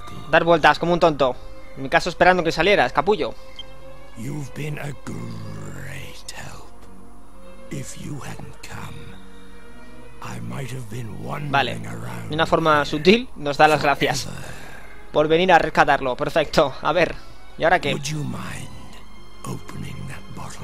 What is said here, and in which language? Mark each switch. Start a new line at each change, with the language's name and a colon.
Spanish: Dar vueltas como un tonto. En mi caso esperando que salieras, capullo.
English: You've been a great help. If you hadn't come, I might have been wandering around.
Spanish: Vale. De una forma sutil nos da las gracias por venir a rescatarlo. Perfecto. A ver. ¿Y ahora qué?
English: Would you mind opening that bottle?